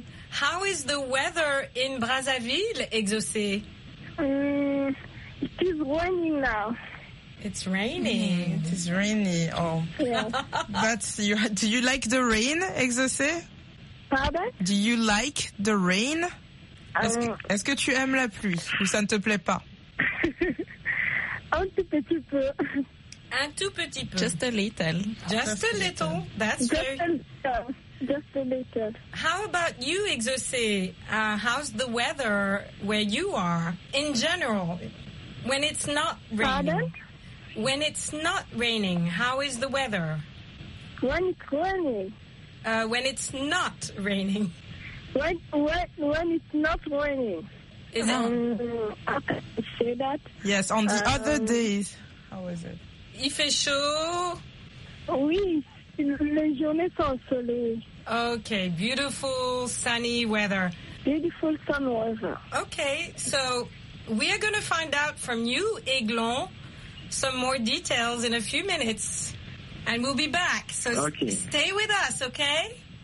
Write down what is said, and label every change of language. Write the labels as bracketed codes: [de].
[en] How is the weather in Brazzaville, exaucé? It is raining now. It's raining. It is rainy. Oh. Yeah. Do you like the rain, exaucé? Pardon? Do you like the rain? [fr] Est-ce que tu aimes la pluie ou ça ne te plaît pas? Un tout petit peu. Un tout petit peu. [en] Just a little. Just a little. That's just very... Just a little. How about you, Exaucé? How's the weather where you are in general when it's not raining? Pardon? When it's not raining, how is the weather? When it's raining. When it's not raining. When it's not raining. Is it? How can I say that? Yes, on the other days. How is it? [fr] Il fait chaud? Oui, les journées sont soleil. [en] Okay, beautiful sunny weather. Beautiful sunny weather. Okay, so we are going to find out from you, Aiglon, some more details in a few minutes. And we'll be back. So okay. Stay with us, okay?